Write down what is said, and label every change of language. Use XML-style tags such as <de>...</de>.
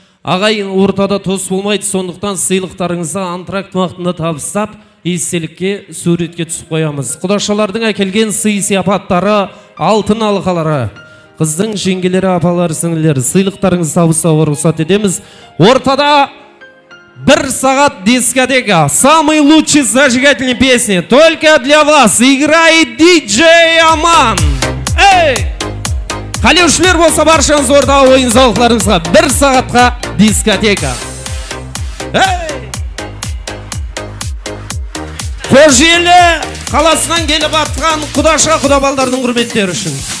<kk>Ағайын, ортада тос болмайды, сондықтан сыйлықтарыңызды антракт уақытында табыстап, естелікке, суретке түсіп қоямыз. Құдашалардың әкелген сый сияпаттары, алтын алқалары. Қыздың жеңгелері, апалары, сіңлілері, сыйлықтарыңызды табыстауға рұқсат етеміз. Ортада бір сағат дискотека,</kk> <ru>самый лучший зажигательный песни, только для вас, играет диджей Аман. Эй!</ru> <kk>Қалеушілер болса баршаңыз ордағы ойын зауқларыңызға бір сағатқа дискотека. Қожелі қаласынан келіп атқан құдаша құдабалдардың құрметтері үшін.</kk>